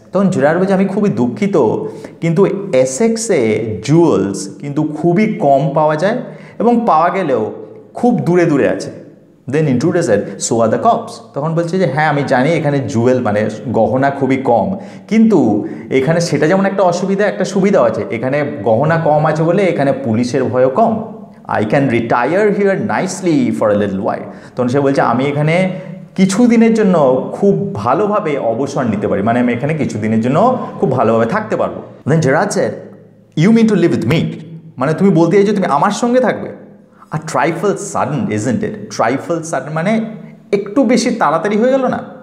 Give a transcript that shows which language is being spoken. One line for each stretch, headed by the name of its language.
Bangla: তখন জেরার্ড বলছে আমি খুবই দুঃখিত, কিন্তু এসেক্সে জুয়েলস কিন্তু খুবই কম পাওয়া যায়, এবং পাওয়া গেলেও খুব দূরে দূরে আছে.
English: Then intruder said, so are the cops?
Bangla: তখন বলছে যে হ্যাঁ, আমি জানি এখানে জুয়েল মানে গহনা খুবই কম, কিন্তু এখানে সেটা যেমন একটা অসুবিধা, একটা সুবিধাও আছে. এখানে গহনা কম আছে বলে এখানে পুলিশের ভয়ও কম.
English: I can retire here nicely for a little while.
Bangla: তখন সে বলছে আমি এখানে কিছুদিনের জন্য খুব ভালোভাবে অবসর নিতে পারি, মানে আমি এখানে কিছুদিনের জন্য খুব ভালোভাবে থাকতে পারবো.
English: Then Gerard said, you mean to live with me?
Bangla: মানে তুমি বলতে চাইছো তুমি আমার সঙ্গে থাকবে?
English: আর trifle sudden, isn't it? Trifle sudden
Bangla: মানে একটু বেশি তাড়াতাড়ি হয়ে গেল না?